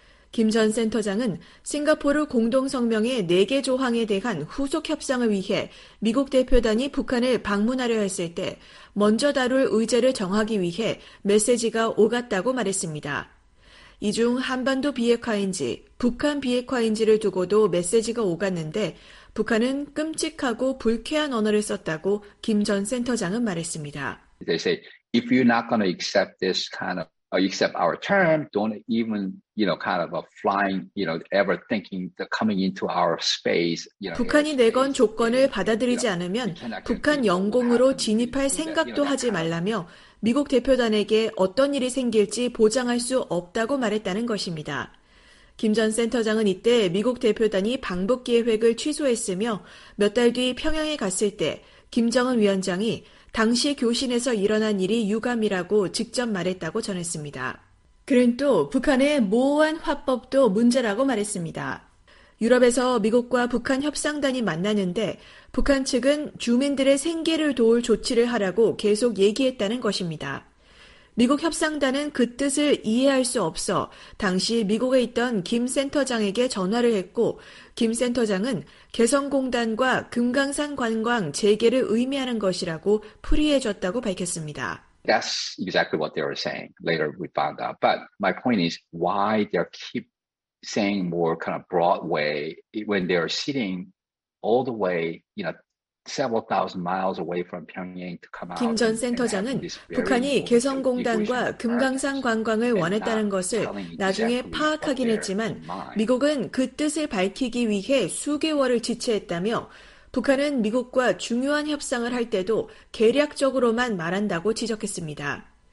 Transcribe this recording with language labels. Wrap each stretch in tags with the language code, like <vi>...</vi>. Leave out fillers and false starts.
<ko>김 전 센터장은 싱가포르 공동성명의 4개 조항에 대한 후속 협상을 위해 미국 대표단이 북한을 방문하려 했을 때 먼저 다룰 의제를 정하기 위해 메시지가 오갔다고 말했습니다. 이 중 한반도 비핵화인지 북한 비핵화인지를 두고도 메시지가 오갔는데 북한은 끔찍하고 불쾌한 언어를 썼다고 김 전 센터장은 말했습니다.</ko> <en>They say if you're not going to accept this kind of accept our term, don't even kind of a flying ever thinking the coming into our space.</en> <ko>북한이 내건 조건을 받아들이지 않으면 북한 영공으로 진입할 생각도 하지 말라며 미국 대표단에게 어떤 일이 생길지 보장할 수 없다고 말했다는 것입니다. 김 전 센터장은 이때 미국 대표단이 방북 계획을 취소했으며 몇 달 뒤 평양에 갔을 때 김정은 위원장이 당시 교신에서 일어난 일이 유감이라고 직접 말했다고 전했습니다. 그는 또 북한의 모호한 화법도 문제라고 말했습니다. 유럽에서 미국과 북한 협상단이 만나는데 북한 측은 주민들의 생계를 도울 조치를 하라고 계속 얘기했다는 것입니다. 미국 협상단은 그 뜻을 이해할 수 없어 당시 미국에 있던 김 센터장에게 전화를 했고 김 센터장은 개성공단과 금강산 관광 재개를 의미하는 것이라고 풀이해줬다고 밝혔습니다.</ko> <en>That's exactly what they were saying. Later we found out. But my point is why they keep saying more kind of broad way when they are sitting all the way, several thousand miles away from Pyongyang to come out.</en> <ko>김 전 센터장은 북한이 개성공단과 금강산 관광을 원했다는 것을 나중에 파악하긴 했지만 미국은 그 뜻을 밝히기 위해 수개월을 지체했다며 북한은 미국과 중요한 협상을 할 때도 계략적으로만 말한다고 지적했습니다.</ko>